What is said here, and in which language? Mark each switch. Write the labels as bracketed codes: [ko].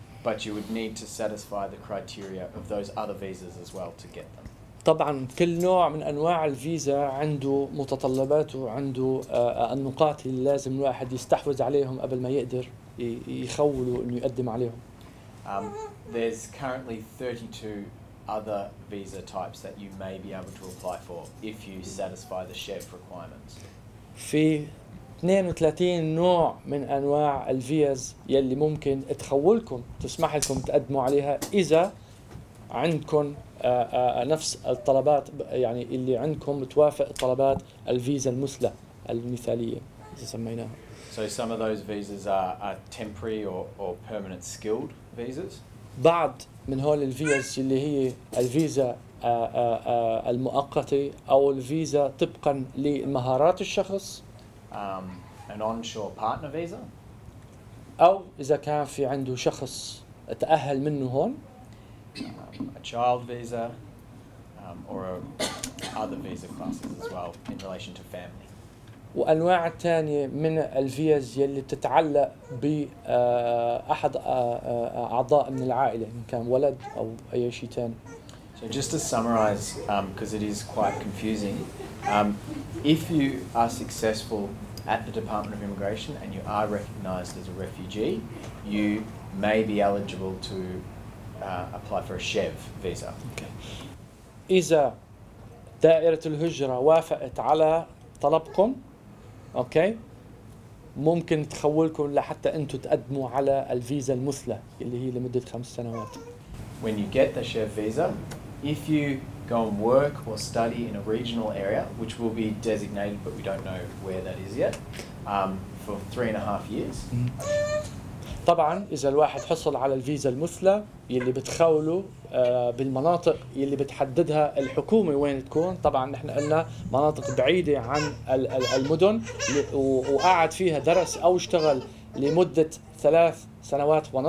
[en] But you would need to satisfy the criteria of those other visas as well to get them. [ar] طبعا كل نوع من انواع الفيزا عنده متطلباته وعنده النقاط اللي لازم الواحد يستحوذ عليهم قبل ما يقدر يخوله انه يقدم عليهم. [en] There's currently 32 other visa types that you may be able to apply for if you satisfy the chef requirements. [ar] في 32 نوع من انواع الفيز يلي ممكن تخولكم تسمح لكم تقدموا عليها اذا عندكم نفس الطلبات يعني اللي عندكم توافق طلبات الفيزا المثلى المثالية إذا سميناها. [en] So some of those visas are temporary or permanent skilled visas. [ar] بعض من هول الفيز اللي هي الفيزا المؤقتة أو الفيزا طبقا لمهارات الشخص. [en] An onshore partner visa. [ar] أو إذا كان في عنده شخص تأهل منه هون. [en] A child visa or other visa classes as well in relation to family. [ar] وأنواع تانية من الفيز يلي تتعلق بأحد أعضاء من العائلة إن كان ولد أو أي شيء تاني. [en] So just to summarize, because it is quite confusing, if you are successful at the Department of Immigration and you are recognized as a refugee, you may be eligible to apply for a Chev visa. Okay. [ar] إذا دائرة الهجرة وافقت على طلبكم اوكي ممكن تخولكم لحتى انتم تقدموا على الفيزا المثلى اللي هي لمدة 5 سنوات. [en] When you get the Chev visa, if you go and work or study in a regional area, which will be designated but we don't know where that is yet, for 3.5 years. [ar] طبعا اذا الواحد حصل على الفيزا المثلى يلي بتخوله بالمناطق يلي بتحددها الحكومة وين تكون. طبعا نحن قلنا مناطق بعيدة عن المدن وقعد فيها درس او اشتغل لمدة 3.5 سنوات.